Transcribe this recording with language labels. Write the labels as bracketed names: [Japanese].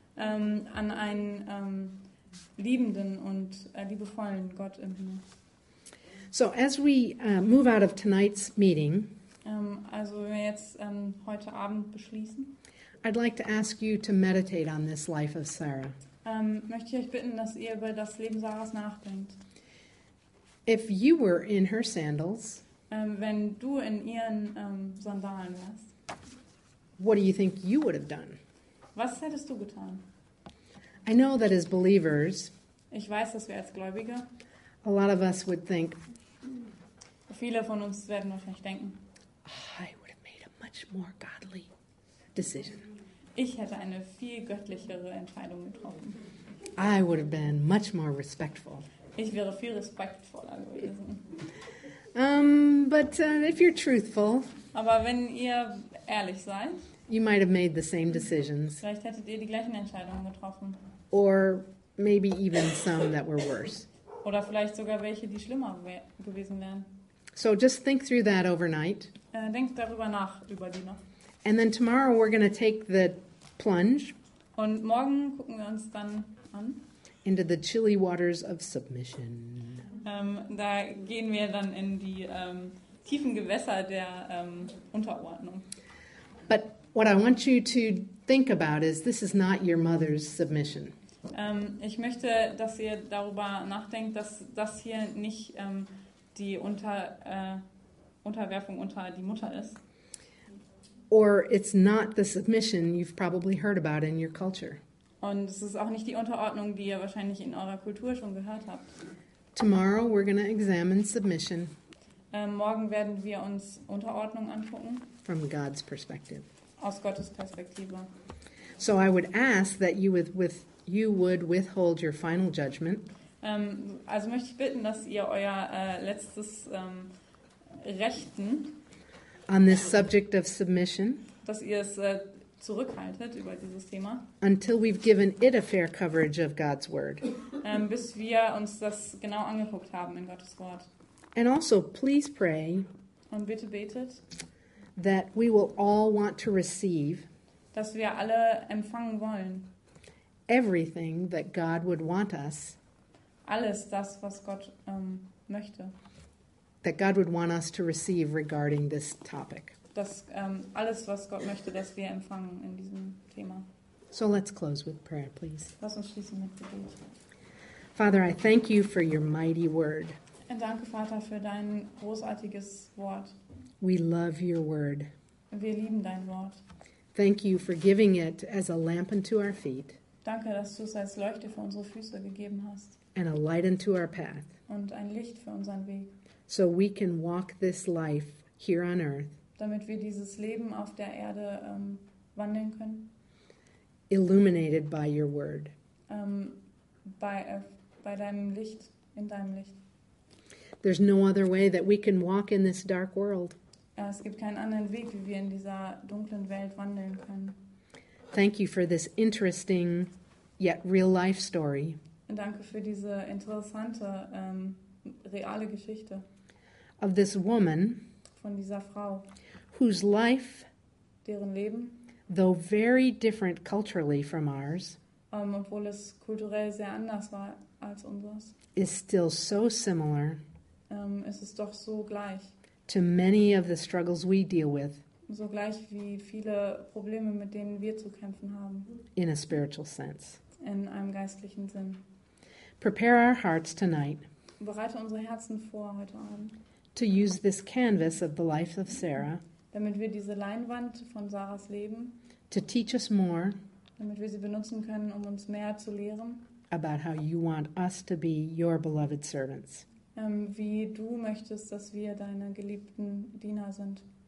[German] An einen liebenden und liebevollen Gott im Himmel. [English] So as we move out of tonight's meeting, [German] also wenn wir jetzt heute Abend beschließen, [English] I'd like to ask you to meditate on this life of Sarah. [German] Möchte ich euch bitten, dass ihr über das Leben Sarahs nachdenkt. [English] If you were in her sandals, [German] wenn du in ihren Sandalen wärst, [English] what do you think you would have done? [German] Was hättest du getan? [English] I know that as believers, [German] ich weiß, dass wir als Gläubige, [English] a lot of us would think, [German] viele von uns werden wahrscheinlich denken, [English] I would have made a much more godly decision. [German] Ich hätte eine viel göttlichere Entscheidung getroffen. [English] I would have been much more respectful. [German] Ich wäre viel respektvoller gewesen. [English] But if you're truthful, [German] aber wenn ihr ehrlich seid, [English] you might have made the same decisions. [German] Vielleicht hättet ihr die gleichen Entscheidungen getroffen. [English] Or maybe even some that were worse. [German] Oder vielleicht sogar welche, die schlimmer gewesen wären. [English] So just think through that overnight. [German] Denkt darüber nach, über die Nacht. [English] And then tomorrow we're going to take the plunge. [German] Und morgen gucken wir uns dann an. [English] Into the chilly waters of submission. [German] Da gehen wir dann in die tiefen Gewässer der Unterordnung. [English] But what I want you to think about is this is not your mother's submission. [German] Ich möchte, dass ihr darüber nachdenkt, dass das hier nicht die Unterwerfung unter die Mutter ist. [English] Or it's not the submission you've probably heard about in your culture. [German] Und es ist auch nicht die Unterordnung, die ihr wahrscheinlich in eurer Kultur schon gehört habt. [English] Tomorrow we're going to examine submission. [German] Morgen werden wir uns Unterordnung angucken. [English] From God's perspective. [German] Aus Gottes Perspektive. [English] So I would ask that you would withhold your final judgment. [German] Also möchte ich bitten, dass ihr euer letztes Rechten [English] on this subject of submission, [German] dass ihr es zurückhaltet über dieses Thema, [English] until we've given it a fair coverage of God's word. [German] Bis wir uns das genau angeguckt haben in Gottes Wort. [English] And also, please pray, [German] und bitte betet, [English] that we will all want to receive, [German] dass wir alle empfangen wollen, [English] everything that God would want us, [German] alles das, was Gott möchte, [English] that God would want us to receive regarding this topic. [German] Dass alles, was Gott möchte, dass wir empfangen in diesem Thema. [English] So let's close with prayer, please. [German] Lass uns schließen mit Gebet. [English] Father, I thank you for your mighty word. [German] Und danke, Vater, für dein großartiges Wort. [English] We love your word. [German] Wir lieben dein Wort. [English] Thank you for giving it as a lamp unto our feet. [German] Danke, dass du es als Leuchte für unsere Füße gegeben hast. [English] And a light unto our path. [German] Und ein Licht für unseren Weg. [English] So we can walk this life here on earth. [German] Damit wir dieses Leben auf der Erde wandeln können. [English] Illuminated by your word. [German] Bei deinem Licht, in deinem Licht. [English] There's no other way that we can walk in this dark world. [German] Es gibt keinen anderen Weg, wie wir in dieser dunklen Welt wandeln können. [English] Thank you for this interesting yet real life story. [German] Und danke für diese interessante reale Geschichte. [English] Of this woman, [German] von dieser Frau, [English] whose life, [German] deren Leben, [English] though very different culturally from ours, [German] obwohl es kulturell sehr anders war als unseres, [English] is still so similar. [German] Es ist doch so gleich. [English] To many of the struggles we deal with. [German] So gleich wie viele Probleme, mit denen wir zu kämpfen haben. [English] In a spiritual sense. [German] In einem geistlichen Sinn. [English] Prepare our hearts tonight. [German] Bereite unsere Herzen vor heute Abend. [English] To use this canvas of the life of Sarah. [German] Damit wir diese Leinwand von Sarahs Leben. [English] To teach us more. [German] Damit wir sie benutzen können, um uns mehr zu lehren. [English] About how you want us to be your beloved servants. [German] Wie du möchtest, dass wir deine geliebten Diener sind.